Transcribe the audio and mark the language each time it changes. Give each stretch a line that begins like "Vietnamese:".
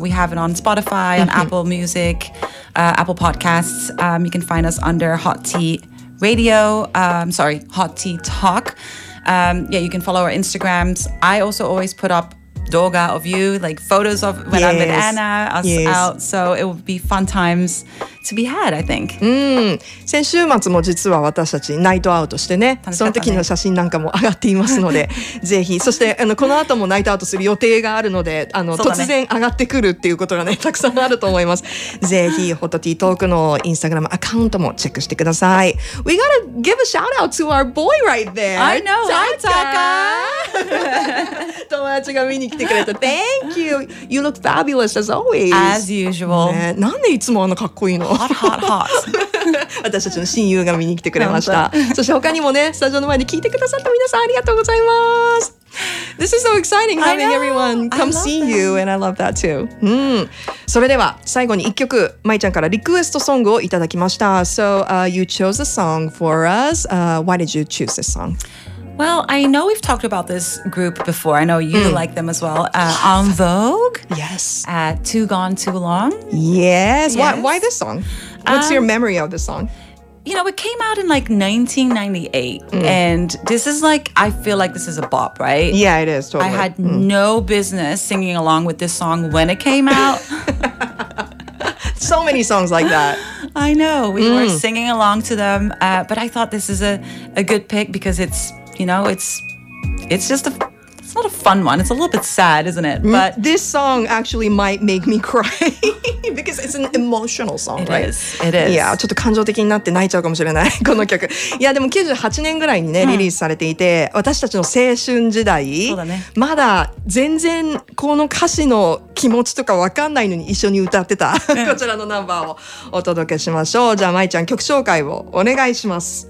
English: We have it on Spotify, on Apple Music, Apple Podcasts. You can find us under Hot Tea Radio. Hot Tea Talk. You can follow our Instagrams. I also always put up doga of you, like photos of when I'm with Anna, us out. So it would be fun times. To be had, I think.
Japanese: 先週末も実は私たちナイトアウトしてねその時の写真なんかも上がっていますのでぜひそしてあのこの後もナイトアウトする予定があるのであの、ね、突然上がってくるっていうことがねたくさんあると思いますぜひホットティートークのインスタグラムアカウントもチェックしてください。
English: We gotta give a shout out to our boy right there. I know, Taka
Japanese: 友達が見に来てくれて
English: Thank you. You look fabulous as always. As usual、
Japanese: ね、なんでいつもあのかっこいいの
English: Hot.
Japanese: 私たちの親友が見に来てくれました。そして他にもね、スタジオの前で聞いてくださった皆さんありがとうございます。
English: This is so exciting having everyone come see you, and I love that too.
Japanese: それでは最後に一曲、まいちゃんからリクエストソングをいただきました。
English: So, you chose a song for us. Why did you choose this song? Well, I know we've talked about this group before. I know you like them as well. En Vogue. Yes. Too Gone Too Long. Yes. Why this song? What's your memory of this song? You know, it came out in like 1998. And this is like, I feel like this is a bop, right? Yeah, it is. Totally. I had no business singing along with this song when it came out. So many songs like that. I know. We were singing along to them. But I thought this is a good pick because it's...You know, it's just a It's not a fun one. It's a little bit sad, isn't it? But this song actually might make me cry because it's an emotional song, it right? It is.
Japanese: いや、ちょっと感情的になって泣いちゃうかもしれない、この曲。いや、でも98年ぐらいにね、リリースされていて、私たちの青春時代、そうだね、まだ全然この歌詞の気持ちとか分かんないのに一緒に歌ってた、こちらのナンバーをお届けしましょう。じゃあ、まいちゃん、曲紹介をお願いします。